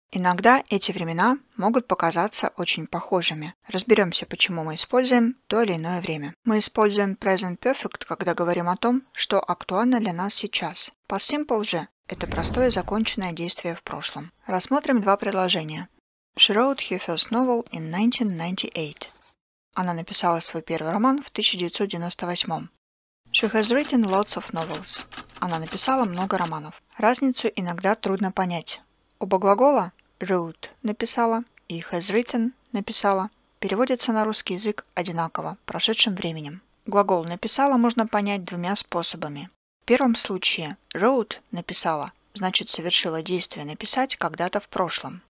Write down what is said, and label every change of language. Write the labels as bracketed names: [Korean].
[Russian] Иногда эти времена могут показаться очень похожими. Разберемся, почему мы используем то или иное время. Мы используем Present Perfect, когда говорим о том, что актуально для нас сейчас. Past Simple же – это простое законченное действие в прошлом. Рассмотрим два предложения. [English] She wrote her first novel in 1998. [Russian] Она написала свой первый роман в 1998. [English] She has written lots of novels. [Russian] Она написала много романов. Разницу иногда трудно понять. Оба глагола wrote – написала и has written – написала переводятся на русский язык одинаково, прошедшим временем. Глагол «написала» можно понять двумя способами. В первом случае wrote – написала, значит, совершила действие написать когда-то в прошлом.